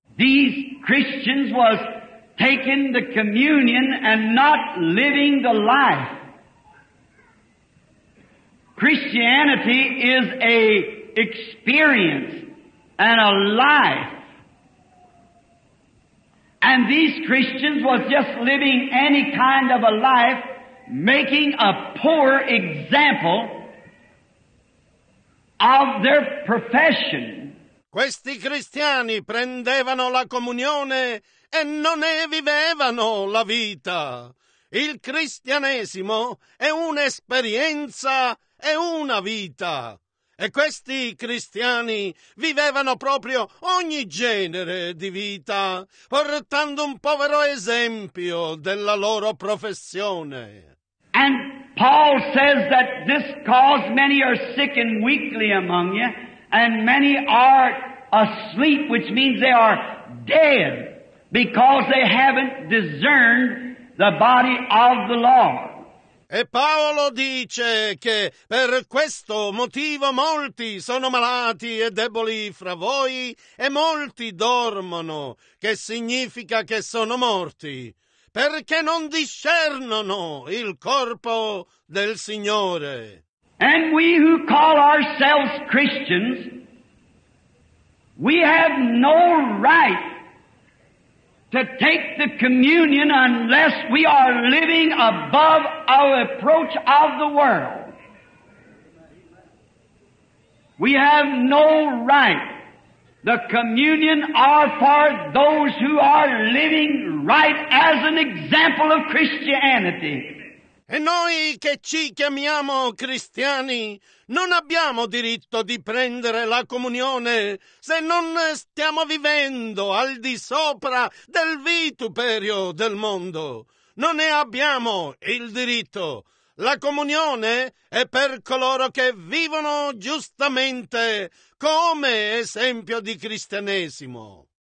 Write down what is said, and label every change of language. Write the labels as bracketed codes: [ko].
[en] These Christians was taking the communion and not living the life. Christianity is a experience and a life. And these Christians were just living any kind of a life, making a poor example of their profession. [it] Questi cristiani prendevano la comunione e non ne vivevano la vita. Il cristianesimo è un'esperienza. È una vita. E questi cristiani vivevano proprio ogni genere di vita, portando un povero esempio della loro professione. [en] And Paul says that this cause many are sick and weakly among you, and many are asleep, which means they are dead, because they haven't discerned the body of the Lord. [it] E Paolo dice che per questo motivo molti sono malati e deboli fra voi e molti dormono, che significa che sono morti, perché non discernono il corpo del Signore. [en] And we who call ourselves Christians, we have no right to take the communion unless we are living above our approach of the world. We have no right. The communion are for those who are living right as an example of Christianity. [it] E noi che ci chiamiamo cristiani non abbiamo diritto di prendere la comunione se non stiamo vivendo al di sopra del vituperio del mondo. Non ne abbiamo il diritto. La comunione è per coloro che vivono giustamente come esempio di cristianesimo.